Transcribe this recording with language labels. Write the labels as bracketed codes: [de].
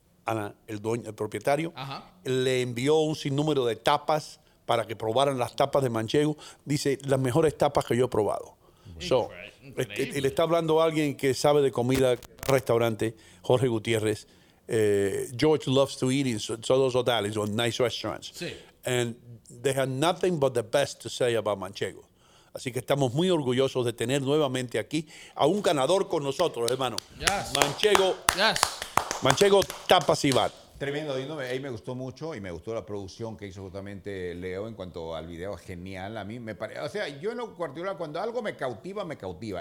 [es] Alan, el dueño, el propietario, uh-huh. le envió un sinnúmero de tapas para que probaran las tapas de Manchego. Dice, las mejores tapas que yo he probado. So, y le está hablando a alguien que sabe de comida, restaurante, Jorge Gutiérrez. [en] George loves to eat in [es] todos los hoteles, [en] or nice restaurants. [es] Sí. [en] And they have nothing but the best to say about Manchego. [es] Así que estamos muy orgullosos de tener nuevamente aquí a un ganador con nosotros, hermano. [en] Yes. Manchego. Yes. Manchego Tapas y Bar. [es] Tremendo, Dino. Ahí me gustó mucho y me gustó la producción que hizo justamente Leo en cuanto al video. Genial. A mí me parece. O sea, yo en lo particular, cuando algo me cautiva, me cautiva.